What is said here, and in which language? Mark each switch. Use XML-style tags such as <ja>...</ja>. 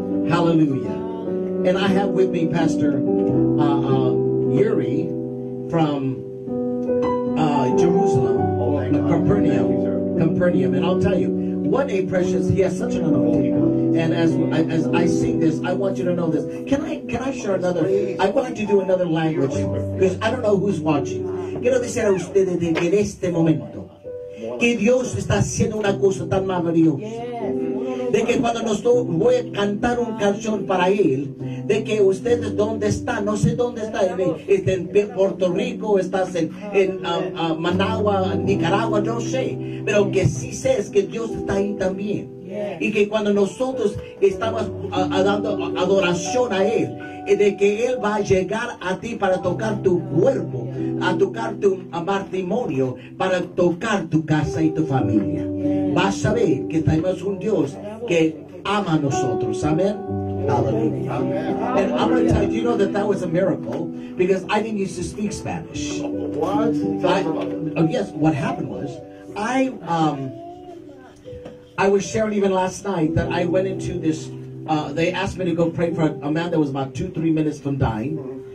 <en>Hallelujah. And I have with me Pastor Yuri from Jerusalem, Capernaum. Capernaum. And I'll tell you, what a precious, he has such an anointing. And as I sing this, I want you to know this. Can I share another? I want to do another language because I don't know who's watching.</en> <es>Quiero decir a ustedes en este momento que Dios está haciendo una cosa tan maravillosa. De que cuando voy a cantar una canción para él, de que ustedes dónde están, no sé dónde están, estás en Puerto Rico, estás en Managua, Nicaragua, no sé, pero que sí sé es que Dios está ahí también. Y que cuando nosotros estamos dando adoración a él, de que él va a llegar a ti para tocar tu cuerpo, a tocar tu matrimonio, para tocar tu casa y tu familia. Vas a ver que tenemos un Dios que ama a nosotros. Amén.</es> <en>Hallelujah. And I'm going to tell you, know that that was a miracle? Because I didn't used to speak Spanish. What happened was, I was sharing even last night that I went into this, they asked me to go pray for a man that was about 2-3 minutes from dying.</en>